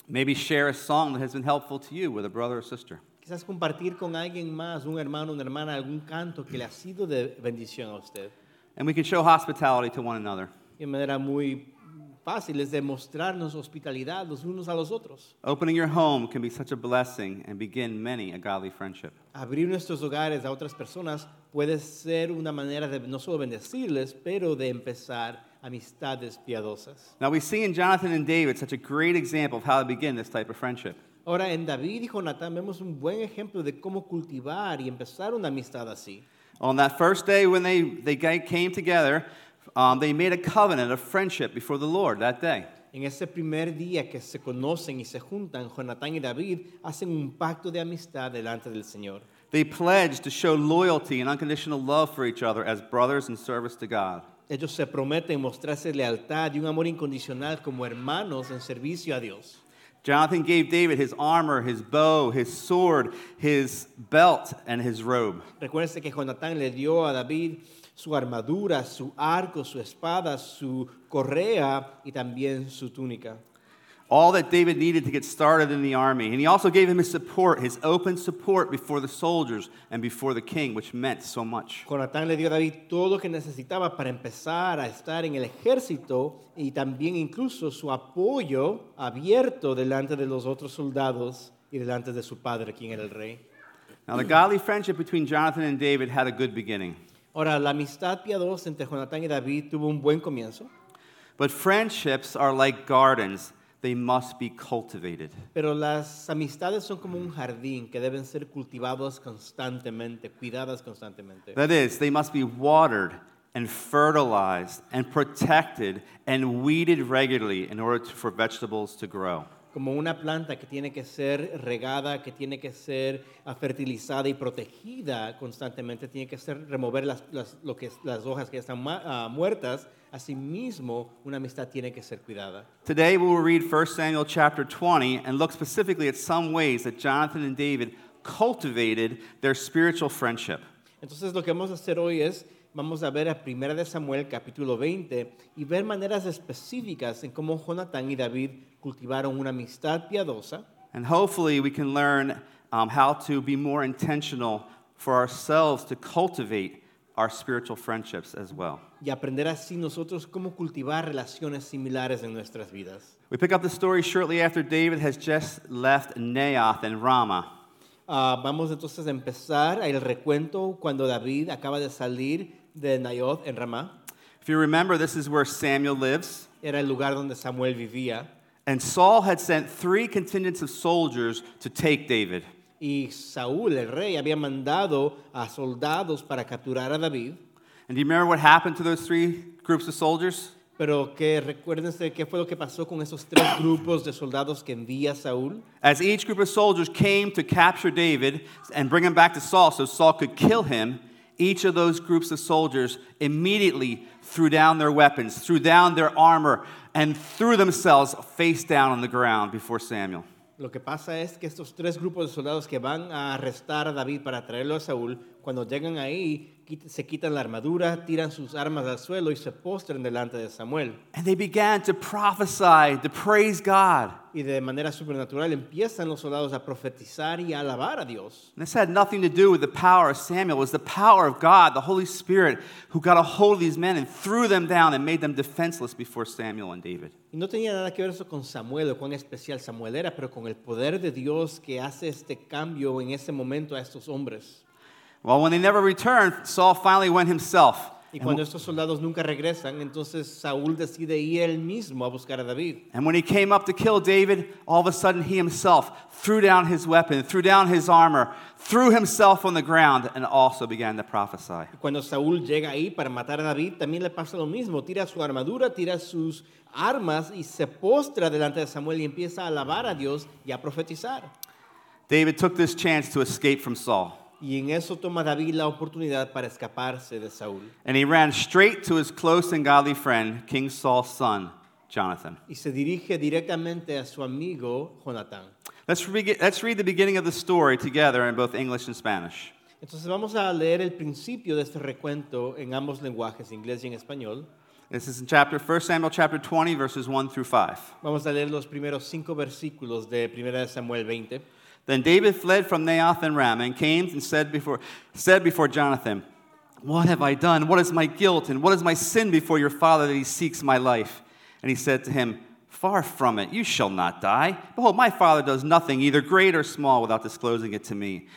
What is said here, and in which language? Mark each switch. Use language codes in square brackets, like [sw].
[en] Maybe share a song that has been helpful to you with a brother or sister. [es] Quizás compartir con alguien más, un hermano, una hermana, algún canto que le ha sido de bendición a usted. [en] And we could show hospitality to one another. [es] De manera muy fácil es demostrarnos hospitalidad los unos a los otros. [en] Opening your home can be such a blessing and begin many a godly friendship. [es] Abrir nuestros hogares a otras personas puede ser una manera de no solo bendecirles, pero de empezar amistades piadosas. [en] Now we see in Jonathan and David such a great example of how to begin this type of friendship. [es] Ahora en David y Jonathan vemos un buen ejemplo de cómo cultivar y empezar una amistad así. [en] On that first day when they came together, they made a covenant of friendship before the Lord that day. [es] En ese primer día que se conocen y se juntan, Jonathan y David hacen un pacto de amistad delante del Señor. [en] They pledged to show loyalty and unconditional love for each other as brothers in service to God. [es] Ellos se prometen mostrarse lealtad y un amor incondicional como hermanos en servicio a Dios. [en] Jonathan gave David his armor, his bow, his sword, his belt, and his robe. [es] Recuerde que Jonathan le dio a David su armadura, su arco, su espada, su correa, y también su túnica. [en] All that David needed to get started in the army. And he also gave him his support, his open support before the soldiers and before the king, which meant so much. [es] Jonathan le dio a David todo lo que necesitaba para empezar a estar en el ejército y también incluso su apoyo abierto delante de los otros soldados y delante de su padre, quien era el rey. [en] Now, the godly friendship between Jonathan and David had a good beginning. [es] Ahora, la amistad piadosa entre Jonathan y David tuvo un buen comienzo. [en] But friendships are like gardens. They must be cultivated. [es] Pero las amistades son como un jardín que deben ser cultivados constantemente, cuidadas constantemente. [en] That is, they must be watered and fertilized and protected and weeded regularly in order to, for vegetables to grow. [es] Como una planta que tiene que ser regada, que tiene que ser fertilizada y protegida constantemente, tiene que ser remover las hojas que ya están muertas. Asimismo, una amistad tiene que ser cuidada. [en] Today we will read 1 Samuel chapter 20 and look specifically at some ways that Jonathan and David cultivated their spiritual friendship. [es] Entonces lo que vamos a hacer hoy es, vamos a ver a 1 Samuel capítulo 20 y ver maneras específicas en cómo Jonathan y David cultivaron una amistad piadosa. [en] And hopefully we can learn how to be more intentional for ourselves to cultivate our spiritual friendships as well. [es] Y aprender así nosotros cómo cultivar relaciones similares en nuestras vidas. [en] We pick up the story shortly after David has just left Naioth and Ramah. [es] Vamos entonces a empezar el recuento cuando David acaba de salir de Naioth en Ramah. [en] If you remember, this is where Samuel lives. [es] Era el lugar donde Samuel vivía. [en] And Saul had sent 3 contingents of soldiers to take David. [es] Y Saúl, el rey, había mandado a soldados para capturar a David. [en] And do you remember what happened to those 3 groups of soldiers? [es] Pero que recuérdense qué fue lo que pasó con esos 3 grupos de soldados que envía Saúl. [en] As each group of soldiers came to capture David and bring him back to Saul so Saul could kill him, each of those groups of soldiers immediately threw down their weapons, threw down their armor, and threw themselves face down on the ground before Samuel. [es] Lo que pasa es que estos 3 grupos de soldados que van a arrestar a David para traerlo a Saúl, cuando llegan ahí, se quitan la armadura, tiran sus armas al suelo y se postran delante de Samuel. [en] And they began to prophesy, to praise God. [es] Y de manera supernatural empiezan los soldados a profetizar y a alabar a Dios. [en] And this had nothing to do with the power of Samuel. It was the power of God, the Holy Spirit, who got a hold of these men and threw them down and made them defenseless before Samuel and David. [es] Y no tenía nada que ver eso con Samuel o cuán especial Samuel era, pero con el poder de Dios que hace este cambio en ese momento a estos hombres. [en] Well, when they never returned, Saul finally went himself. [es] Y cuando estos soldados nunca regresan, entonces Saúl decide ir él mismo a buscar a David. [en] And when he came up to kill David, all of a sudden he himself threw down his weapon, threw down his armor, threw himself on the ground, and also began to prophesy. [es] Y cuando Saúl llega ahí para matar a David, también le pasa lo mismo. Tira su armadura, tira sus armas, y se postra delante de Samuel y empieza a alabar a Dios y a profetizar. [en] David took this chance to escape from Saul. [es] Y en eso toma David la oportunidad para escaparse de Saúl. [en] And he ran straight to his close and godly friend, King Saul's son, Jonathan. [es] Y se dirige directamente a su amigo, Jonathan. [en] Let's read the beginning of the story together in both English and Spanish. [es] Entonces vamos a leer el principio de este recuento en ambos lenguajes, inglés y en español. [en] This is in chapter 1 Samuel chapter 20, verses 1 through 5. [es] Vamos a leer los primeros 5 versículos de 1 Samuel 20. [en] Then David fled from Naioth and Ramah and came and said before Jonathan, "What have I done? What is my guilt and what is my sin before your father that he seeks my life?" And he said to him, "Far from it, you shall not die. Behold, my father does nothing, either great or small, without disclosing it to me.